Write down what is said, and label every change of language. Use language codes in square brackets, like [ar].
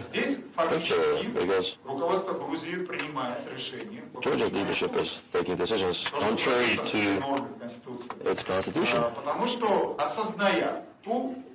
[en] picture, because [ru] руководство Грузии принимает решение. [en] Georgia's leadership is taking decisions contrary to its constitution. [ru] Потому что осознавая ту